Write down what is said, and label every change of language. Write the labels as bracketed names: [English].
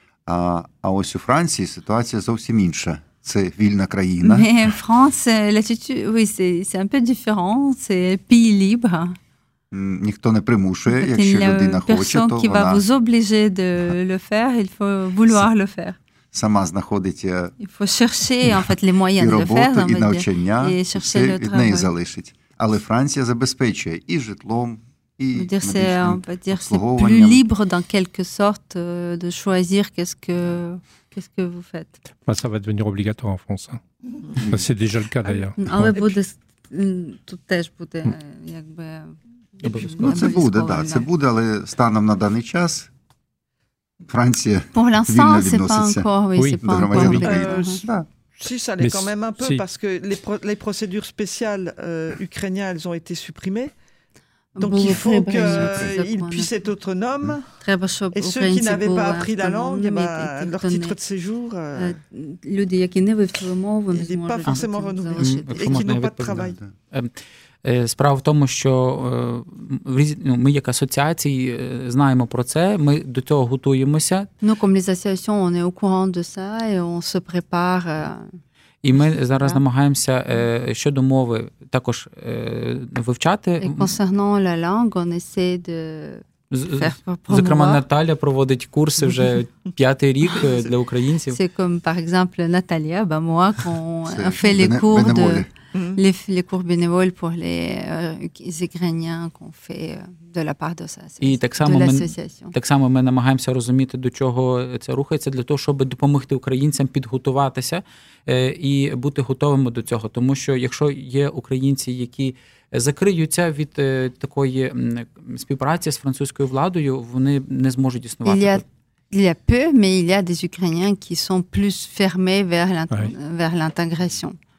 [Ukrainian] А ось у Франції ситуація зовсім інша. Це вільна країна. [French] Mais en France, l'attitude, oui, c'est un peu différent, c'est pays libre. [Ukrainian] Ніхто не примушує, якщо людина хоче, то вона. [French] Personne qui va vous obliger de le faire, il faut vouloir le faire. [Ukrainian] сама знаходить [French] les moyens [Ukrainian] і роботу, [French] de le faire, [Ukrainian] і навчання, і все від неї залишить. Але Франція забезпечує і житлом, [French] C'est plus libre, dans quelque sorte, de choisir qu'est-ce que vous faites. Bah, ça va devenir obligatoire en France. Hein. Bah, c'est déjà le cas, d'ailleurs. Ah, mais vous, tout est, je peux, [Ukrainian] Ну, це буде, так, да, це буде, але станом на даний час Франція вільно відноситься. [French] Pour l'instant, c'est pas encore, oui, Si, ça l'est quand même un peu, parce que les procédures spéciales ukrainiennes, elles ont été supprimées. Donc il faut qu'ils puissent être autonomes. Très bien, chaud. Et ceux qui n'avaient pas appris la langue, leur titre de séjour. [Ukrainian] Люди, які не вивчили мову, не зможуть. [French] Pas forcément renouvelés. Et qui n'ont pas de travail. [Ukrainian] Справа в тому, що ми як асоціації знаємо про це, ми до цього готуємося. [French] Ну, comme les associations, on est au courant de ça et on se prépare. [Ukrainian] І ми зараз намагаємося щодо мови також вивчати. [French] Et concernant la langue, on essaie de [Ukrainian] Зокрема, Наталя проводить курси вже п'ятий рік для українців. [French] C'est comme, par exemple, Natalia, ben moi, qu'on fait les cours de... Les cours bénévoles pour les Ukrainiens qu'on fait de la part de l'association. [Ukrainian] Так само ми намагаємося розуміти, до чого це рухається, для того, щоб допомогти українцям підготуватися і бути готовими до цього. Тому що якщо є українці, які закриються від такої співпраці з французькою владою, вони не зможуть існувати. [French] Il y a peu, mais il y a des Ukrainiens qui sont plus fermés vers l'intégration.